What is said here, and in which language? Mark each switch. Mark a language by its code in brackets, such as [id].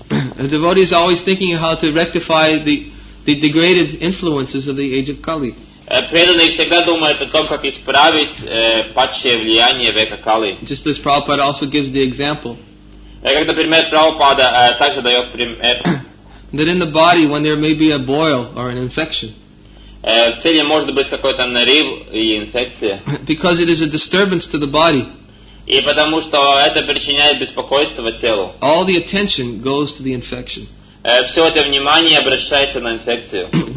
[en] The devotee is always thinking how to rectify the degraded influences of the age of Kali. [ru] Преданный всегда думает о том, как исправить падшее влияние века Кали. [en] Just as Prabhupada also gives the example. [ru] Как, например, Прабхупада также дает пример. [en] That in the body, when there may be a boil or an infection. [ru] В теле может быть какой-то нарыв и инфекция. [en] Because it is a disturbance to the body. [ru] И потому что это причиняет беспокойство телу. [en] All the attention goes to the infection. [ru] Все это внимание обращается на инфекцию.